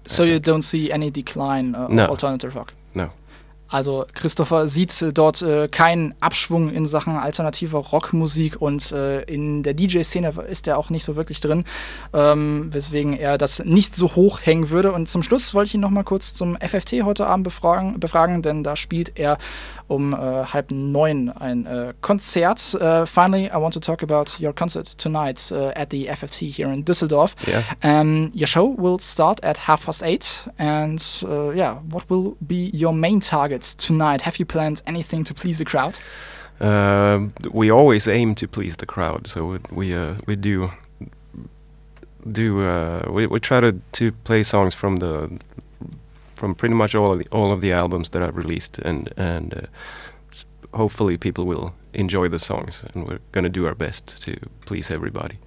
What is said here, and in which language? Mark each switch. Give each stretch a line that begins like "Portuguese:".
English: So you don't see any decline of alternative rock? No.
German: Also Christopher sieht dort keinen Abschwung in Sachen alternativer Rockmusik und in der DJ-Szene ist er auch nicht so wirklich drin, weswegen er das nicht so hoch hängen würde. Und zum Schluss wollte ich ihn nochmal kurz zum FFT heute Abend befragen, denn da spielt er um 8:30 ein Konzert.
English: Finally, I want to talk about your concert tonight at the FFT here in Düsseldorf. Yeah. Your show will start at 8:30 and yeah, what will be your main targets tonight? Have you planned anything to please the crowd? We always aim to please the crowd, so we try to play songs from pretty much all of the albums that I've released, and hopefully people will enjoy the songs, and we're gonna do our best to please everybody.